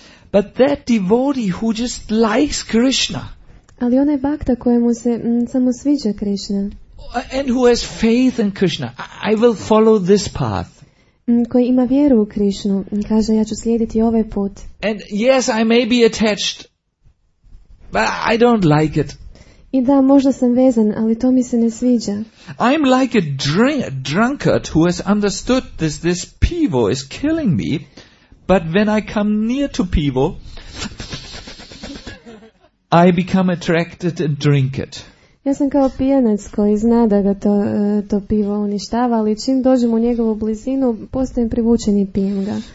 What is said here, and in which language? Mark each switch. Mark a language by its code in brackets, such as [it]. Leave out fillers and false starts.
[en] But that devotee who just likes Krishna. [hr] Ali onaj bhakta kojemu se samo sviđa Krishna. [en] And who has faith in Krishna. I will follow this path. [hr] Koji ima vjeru u Krishnu, kaže ja ću slijediti ovaj put. [en] And yes, I may be attached. But I don't like it. [hr] I da, možda sam vezan, ali to mi se ne sviđa. [en] I'm like a drunkard who has understood this pivo is killing me. But when I come near to pivo, I become attracted and drink it. [hr] Ja sam kao pijanac koji zna da ga to pivo uništava, ali čim dođem u njegovu blizinu, postajem privučen i pijem ga.